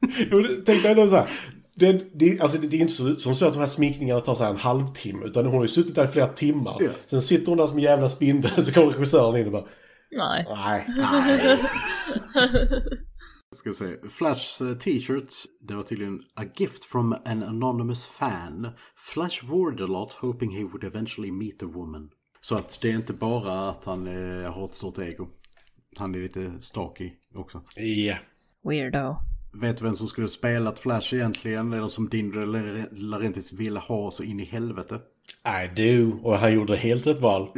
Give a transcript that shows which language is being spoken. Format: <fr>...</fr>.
<sv>Jo, tänkte jag ändå såhär. Det är inte så att de här sminkningarna tar så här en halvtimme, utan hon har ju suttit där i flera timmar. Yeah. Sen sitter hon där som en jävla spindel, så kommer regissören in och bara... Nej. Nej. ska vi säga, Flash t-shirt. Det var tydligen</sv> <en>a gift from an anonymous fan. Flash wore it a lot, hoping he would eventually meet a woman.</en> <sv>Så att det är inte bara att han har ett stort ego. Han är lite stalky också. Yeah.</sv> <en>Weirdo.</en> <sv>Vet du vem som skulle spela ett Flash egentligen? Eller som Dindre Laurentiis ville ha så in i helvete?</sv> <en>I do.</en> <sv>Och han gjorde helt rätt val.</sv>